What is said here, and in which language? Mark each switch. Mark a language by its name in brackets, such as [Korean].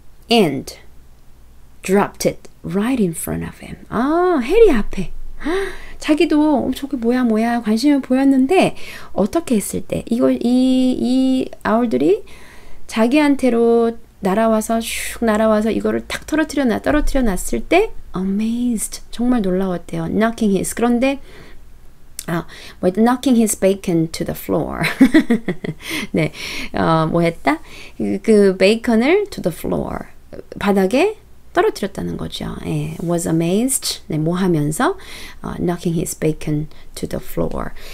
[English] And dropped it right in front of him. [Korean] 아, 해리 앞에. 자기도 저게 뭐야 뭐야 관심을 보였는데 어떻게 했을 때 이걸 이 아울들이 자기한테로 날아와서 슉 날아와서 이거를 탁 떨어뜨려 놨을 때 amazed, 정말 놀라웠대요. [English] Knocking his, [Korean] 그런데 아, [English] with knocking his bacon to the floor. [Korean] 네, 뭐 했다? 그 베이컨을 [English] to the floor, [Korean] 바닥에 떨어뜨렸다는 거죠. [English] 예, was amazed. [Korean] 네, 뭐 하면서 [English] knocking his bacon to the floor.